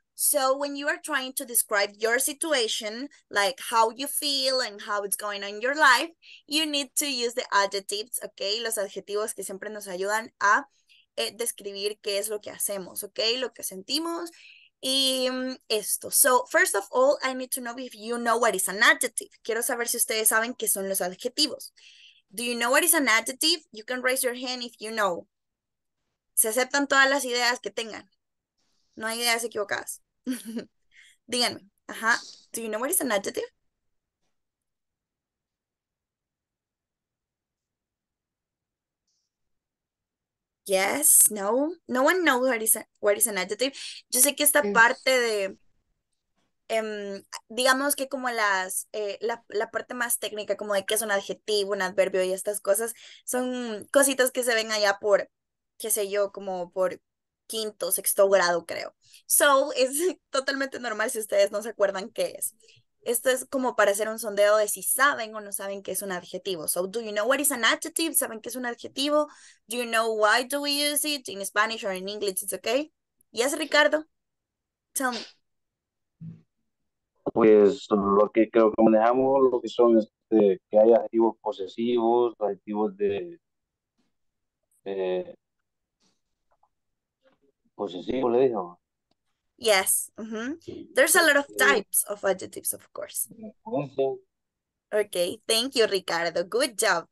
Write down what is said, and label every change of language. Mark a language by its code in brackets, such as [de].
[en] So when you are trying to describe your situation, like how you feel and how it's going on in your life, you need to use the adjectives, okay? [es] Los adjetivos que siempre nos ayudan a describir qué es lo que hacemos, okay? Lo que sentimos y esto. [en] So first of all, I need to know if you know what is an adjective. [es] Quiero saber si ustedes saben qué son los adjetivos. [en] Do you know what is an adjective? You can raise your hand if you know. [es] Se aceptan todas las ideas que tengan. No hay ideas equivocadas. Díganme. Ajá. [en] Do you know what is an adjective? Yes. No. No one knows what is an adjective. [es] Yo sé que esta parte de... digamos que como las... La parte más técnica, como de qué es un adjetivo, un adverbio y estas cosas, son cositas que se ven allá por... Qué sé yo, como por... quinto, sexto grado, creo. So, es totalmente normal si ustedes no se acuerdan qué es. Esto es como para hacer un sondeo de si saben o no saben qué es un adjetivo. [en] So, do you know what is an adjective? [es] ¿Saben qué es un adjetivo? [en] Do you know why do we use it in Spanish or in English? It's okay. Yes, Ricardo. Tell me. [es] Pues, lo que creo que manejamos, lo que son, que hay adjetivos posesivos, adjetivos de... Posesivo, le dijo. [en] Yes. Mm-hmm. There's a lot of types of adjectives, of course. Okay. Thank you, Ricardo. Good job.